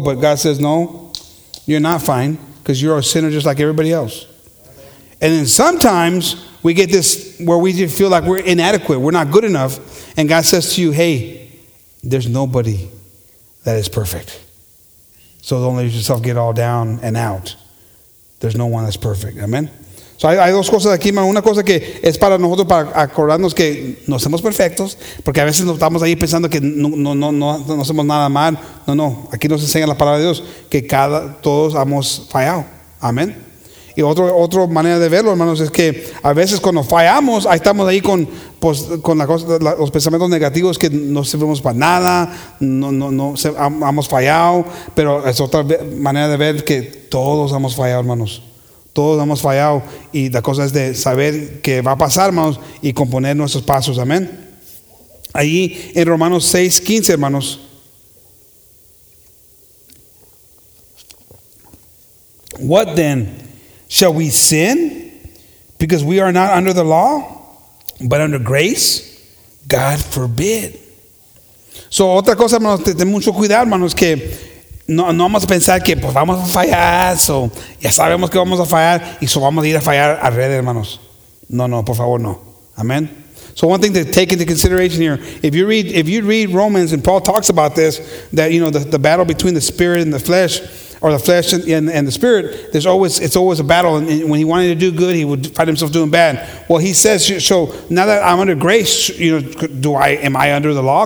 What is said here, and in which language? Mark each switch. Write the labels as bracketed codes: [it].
[en] But God says, no, you're not fine because you're a sinner just like everybody else. And then sometimes we get this where we just feel like we're inadequate, we're not good enough, and God says to you, hey, there's nobody that is perfect. So don't let yourself get all down and out. There's no one that's perfect. Amen. So [es] hay dos cosas aquí, [en] man. [es] Una cosa que es para nosotros, para acordarnos que no somos perfectos, porque a veces nos estamos ahí pensando que no hacemos nada mal. No, aquí nos enseña la palabra de Dios que todos hemos fallado. Amen. Y otra manera de verlo, hermanos, es que a veces cuando fallamos, ahí estamos ahí con los pensamientos negativos que no servimos para nada, hemos fallado, pero es otra manera de ver que todos hemos fallado, hermanos. Todos hemos fallado y la cosa es de saber qué va a pasar, hermanos, y componer nuestros pasos, amén. Ahí en Romanos 6:15, hermanos. [en] What then? Shall we sin because we are not under the law, but under grace? God forbid. [es] So, otra cosa, hermanos, ten mucho cuidado, hermanos, que no vamos a pensar que pues vamos a fallar, so ya sabemos que vamos a fallar y so vamos a ir a fallar a red, hermanos. No, por favor, no. Amen. [en] So one thing to take into consideration here, if you read Romans and Paul talks about this, that you know the battle between the spirit and the flesh, or the flesh and the spirit, it's always a battle. And when he wanted to do good, he would find himself doing bad. Well, he says, so now that I'm under grace, you know, am I under the law?